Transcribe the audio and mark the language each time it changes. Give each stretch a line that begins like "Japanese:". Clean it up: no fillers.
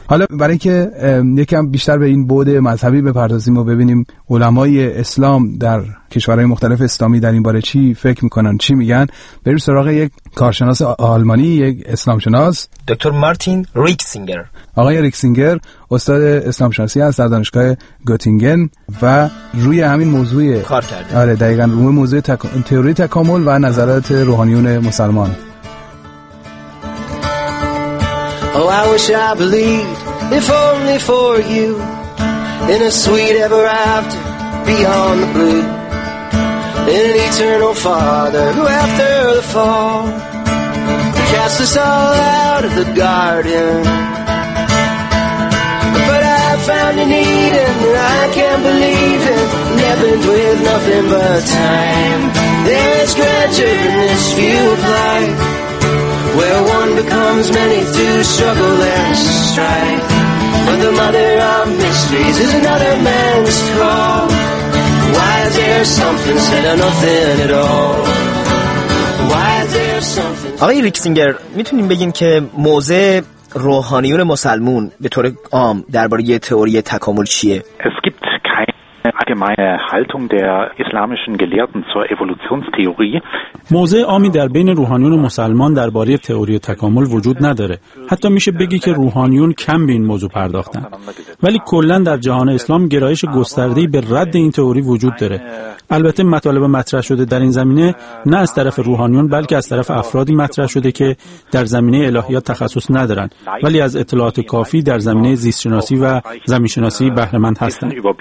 Persian: حالا برای که یکم بیشتر به این بعد مذهبی بپردازیم و ببینیم علمای اسلام در کشورهای مختلف اسلامی در این باره چی فکر میکنن، چی میگن، بریم سراغ یک کارشناس آلمانی، یک اسلامشناس، دکتر مارتین ریکسینگر. آقای ریکسینگر استاد اسلامشناسی هست در دانشگاه گوتینگن و روی همین موضوع کار کرده. آره دقیقاً، روی موضوع تئوری تکامل و نظرات روحانیون مسلمان.
English: Oh, I wish I believed if only for you in a sweet ever after beyond the blue, in an eternal father who after the fall cast us all out of the garden. Found an Eden that I can't believe in, leavened with nothing but time. There is grandeur in this view of life, where one becomes many through struggle and strife. But the mother of mysteries is another man's call. Why is there something said or nothing at all? Why is there something?
Persian: آقای ریکسینگر، میتونیم بگین که موضع روحانیون مسلمون به طور عام درباره تئوری تکامل چیه؟
German: Es gibt keine allgemeine Haltung der islamischen Gelehrten zur Evolutionstheorie.
Persian: موضع عامی در بین روحانیون مسلمان درباره تئوری تکامل وجود نداره. حتی میشه بگی که روحانیون کم به این موضوع پرداختن. ولی کلاً در جهان اسلام گرایش گسترده‌ای به رد این تئوری وجود داره. البته مطالب مطرح شده در این زمینه نه از طرف روحانیون بلکه از طرف افرادی مطرح شده که در زمینه الهیات تخصص ندارند ولی از اطلاعات کافی در زمینه زیست شناسی و زمین شناسی بهره مند هستند.